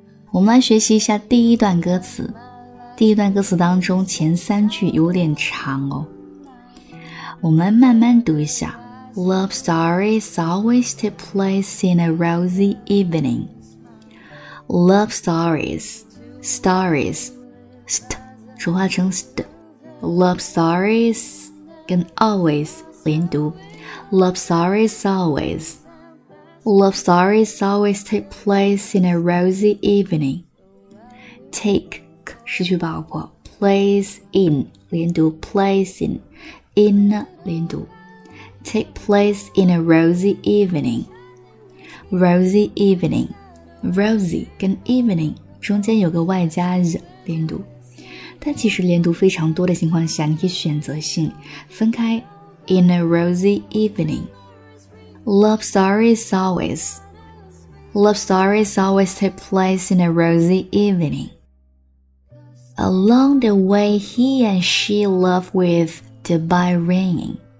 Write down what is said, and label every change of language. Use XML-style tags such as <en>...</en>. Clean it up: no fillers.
<zh>我们来学习一下第一段歌词。第一段歌词当中前三句有点长哦，我们慢慢读一下。</zh> <en>Love stories always take place in a rosy evening. Love stories, stories, st</en> <zh>浊化成</zh> <en>st。 Love stories</en> <zh>跟 always 连读。</zh> <en>Love stories always, love stories always take place in a rosy evening. Take</en> <zh>失去爆破</zh> <en>place in 连读 place in, in 连读 take place in a rosy evening. Rosy evening,</en> <zh>rosy 跟 evening 中间有个外加 z 连读，但其实连读非常多的情况下，你可以选择性分开。</zh> <en>In a rosy evening, love stories always, love stories always take place in a rosy evening. Along the way, he and she love with the bell ringing.</en>